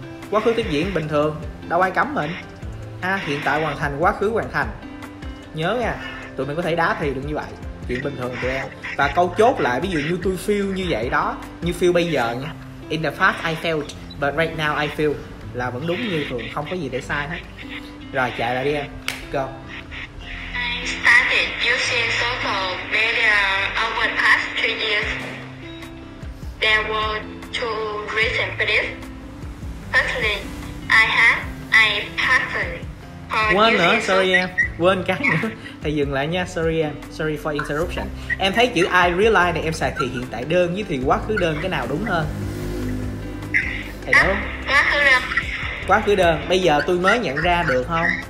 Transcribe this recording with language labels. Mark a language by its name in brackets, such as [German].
[Vietnamese] Quá khứ tiếp diễn bình thường, đâu ai cấm mình. Ha, à, hiện tại hoàn thành, quá khứ hoàn thành. Nhớ nha, tụi mình có thể đá thì được như vậy. Chuyện bình thường tụi em. Và câu chốt lại, ví dụ như tôi feel như vậy đó, như feel bây giờ nha, [English] in the past I felt, but right now I feel, [Vietnamese] là vẫn đúng như thường, không có gì để sai hết. Rồi chạy lại đi em, go. [English] I started using social media over the past 3 years. There were 2 reasons for this. Firstly, I have a passion for [Vietnamese] quên [English] using [Vietnamese] nữa, sorry em. Quên cái nữa. Thầy dừng lại nha, sorry em. [English] Sorry for interruption. [Vietnamese] Em thấy chữ I realize này em xài thì hiện tại đơn với thì quá khứ đơn, cái nào đúng hơn? Thầy đúng. Quá khứ đơn. Quá khứ đơn, bây giờ tôi mới nhận ra được không?